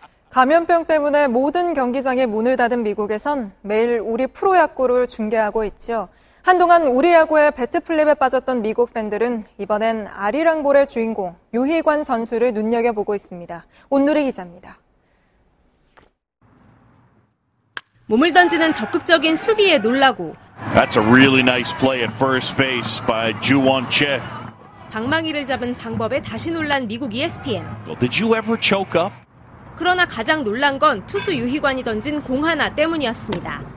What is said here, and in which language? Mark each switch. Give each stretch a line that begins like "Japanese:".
Korean: 감염병 때문에 모든 경기장의 문을 닫은 미국에선 매일 우리 프로야구를 중계하고 있죠. 한동안 우리 야구의 배트플립에 빠졌던 미국 팬들은 이번엔 아리랑볼의 주인공 유희관 선수를 눈여겨보고 있습니다. 온누리 기자입니다. 몸을 던지는 적극적인 수비에 놀라고
English: That's a really nice play at first base by Juwon Che.
Korean: 방망이를 잡은 방법에 다시 놀란 미국 ESPN.
English: Well, did you ever choke up?
Korean: 그러나 가장 놀란 건 투수 유희관이 던진 공 하나 때문이었습니다.